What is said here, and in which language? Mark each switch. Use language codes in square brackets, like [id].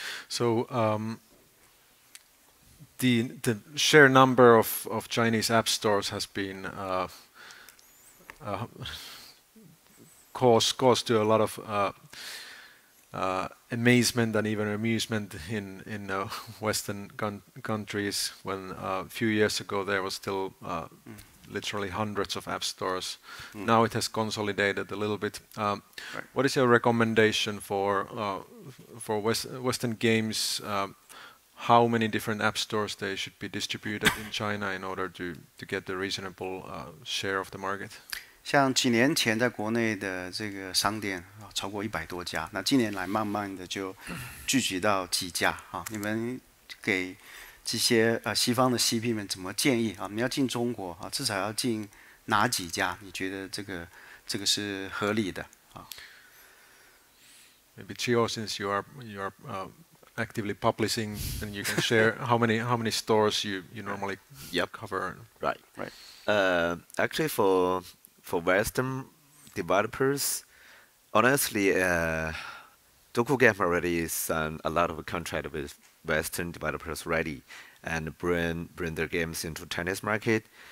[en] So the share number of Chinese app stores has been caused to a lot of amazement and even amusement in Western countries when a few years ago there was still literally hundreds of app stores. Now it has consolidated a little bit. What is your recommendation for Western games, how many different app stores they should be distributed in China in order to get the reasonable share of the market? [zh] 像几年前在国内的这个商店超过100多家，那近年来慢慢的就聚集到几家啊，你们给这些西方的 CP 们怎么建议啊？你要进中国啊，至少要进哪几家？你觉得这个是合理的啊 [en] ？Maybe Chiu, since you are actively publishing, then you can share how many stores you normally cover. Right, right. Actually, for Western developers, honestly, DokuGame already signed a lot of contract with Western developers ready and bring their games into Chinese market.